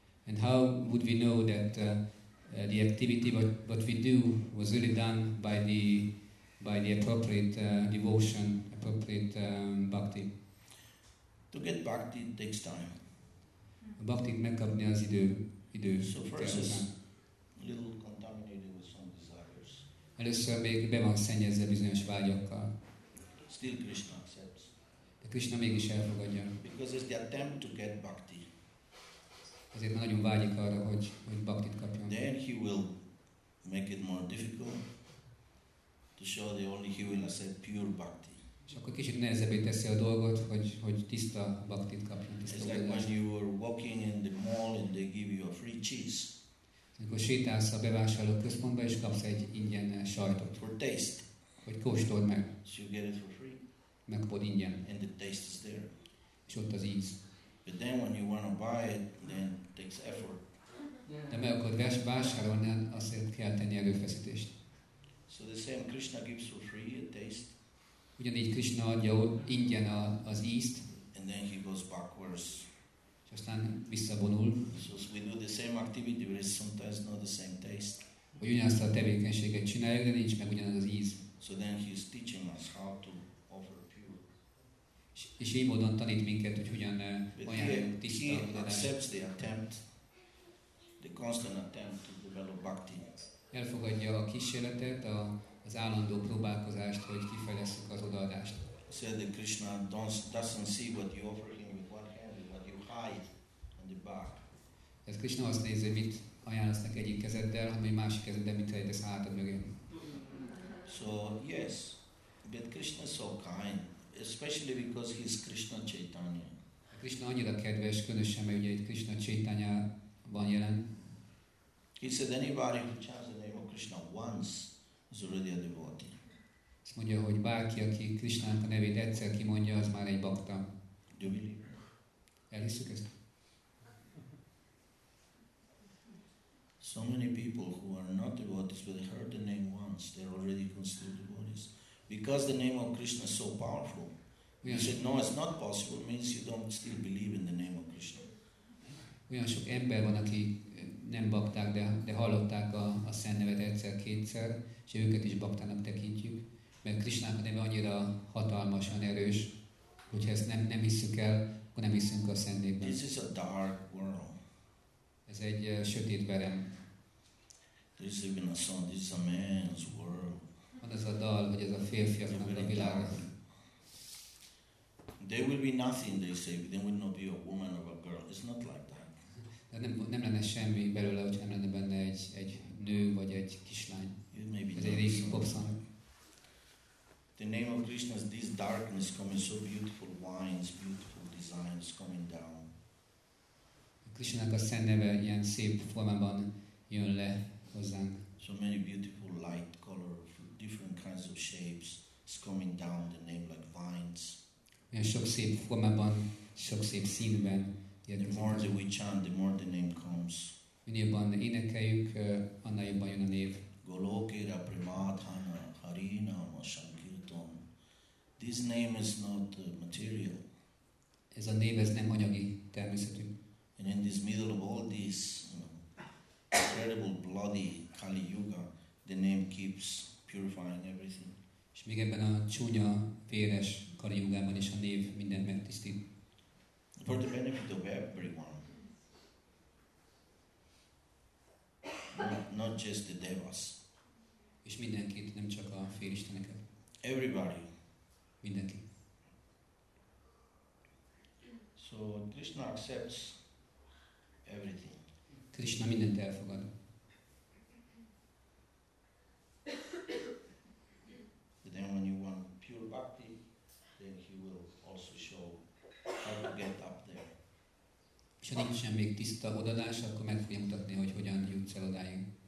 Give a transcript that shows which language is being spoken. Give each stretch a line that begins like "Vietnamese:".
English: And how would we know that the activity what we do was really done by the appropriate devotion, appropriate bhakti? To get bhakti takes time.
Hungarian: Bhakti megkapni az idő.
English: So first is a little contaminated with some desires.
Hungarian: Először még be van szennyezve bizonyos vágyakkal.
English: Still Krishna accepts.
Hungarian: De Krishna mégis elfogadja.
English: Because it's the attempt to get bhakti.
Hungarian: Azért nagyon vágyik arra, hogy bhaktit kapjon.
English: Then he will make it more difficult to show that only he will accept pure bhakti.
Hungarian: És akkor kicsit nehezebbé teszi a dolgot, hogy tiszta bhaktit kapjon.
English: It's like when you were walking in the mall and they give you a free cheese.
Hungarian: Amikor sétálsz a bevásárló központba és kapsz egy ingyen sajtot.
English: For taste.
Hungarian: Hogy kóstold meg.
English: So you get it for free.
Hungarian: Megkapod ingyen.
English: And the taste is there.
Hungarian: És ott az íz.
English: But then when you want to buy it, then it takes effort.
Hungarian: De meg akkor vásárolni, azért kell tenni erőfeszítést.
English: So the same Krishna gives for free a taste.
Hungarian: Ugyanígy Krishna adja ingyen az ízt.
English: And then he goes backwards.
Hungarian: Aztán visszavonul.
English: So we do the same activity, but it's sometimes not the same taste.
Hungarian: Hogy ugyanazt a tevékenységet csináljuk, de nincs meg ugyanaz az íz.
English: So then he is teaching us how to offer pure.
Hungarian: És így módon tanít minket, hogy hogyan olyan tiszta.
English: He accepts the attempt. the constant attempt to develop bhakti.
Hungarian: Elfogadja a kísérletet, az állandó próbálkozást, hogy kifejlesszük az odaadást.
English: Said that Krishna doesn't see what you offer him with one hand, what you hide on the back.
Hungarian: Ez Krishna azt nézi, mit ajánlasz neki egyik kezeddel, ami másik kezeddel, mit helyedesz hátad mögé.
English: So, yes, but Krishna is so kind, especially because he is Krishna Chaitanya.
Hungarian: Krishna annyira kedves, különösen, mert ugye itt Krishna Chaitanya van jelen.
English: He said anybody who chants the name of Krishna once is already a devotee.
Hungarian: Azt mondja, hogy bárki, aki Krishnának a nevét egyszer kimondja, az már egy bhakta.
English: Do you believe?
Hungarian: Elhisszük ezt?
English: So many people who are not devotees, but they heard the name once, they're already considered devotees. Because the name of Krishna is so powerful, he said, no, it's not possible, it means you don't still believe in the name of Krishna.
Hungarian: Olyan sok ember van, aki nem bakták, de hallották a szent nevet egyszer-kétszer, és őket is baktának tekintjük, mert Krishnának a neve annyira hatalmasan erős, hogy ezt nem hiszük el, akkor nem hiszünk a szent névben.
English: This is a dark world.
Hungarian: Ez egy sötét verem.
English: This is even a song, this is a man's world.
Hungarian: Van ez a dal, hogy ez a férfiaknak a világa.
English: There will be nothing, they say, but there will not be a woman or a girl. It's not like that.
Hungarian: De nem lenne semmi belőle, hogyha nem lenne benne egy nő vagy egy kislány. Ez egy régi pop song.
English: The name of Krishna is this darkness coming, so beautiful wines, beautiful designs coming down.
Hungarian: Krishnának a szent neve ilyen szép formában jön le hozzánk.
English: So many beautiful light colors, different kinds of shapes is coming down the name like vines.
Hungarian: Ilyen sok szép formában, sok szép színben.
English: The more that we chant, the more the name comes.
Hungarian: Minél jobban énekeljük, annál jobban jön a név.
Bangla: Golokera Premadhana Harinama Sankirtan.
English: This name is not material.
Hungarian: Ez a név, ez nem anyagi természetű.
English: And in this middle of all this terrible bloody Kali Yuga, the name keeps purifying everything.
Hungarian: És még ebben a csúnya, véres Kali Yugában is a név mindent megtisztít.
English: For the benefit of everyone. Not just the devas.
Hungarian: És mindenkit, nem csak a félisteneket.
English: Everybody.
Hungarian: Mindenki.
English: So Krishna accepts everything.
Hungarian: Krishna mindent elfogad.
English: But then when you want pure bhakti, then he will also show how to get up there.
Hungarian: És ha nincsen még tiszta odaadás, akkor meg fogja mutatni, hogy hogyan jutsz el odáig.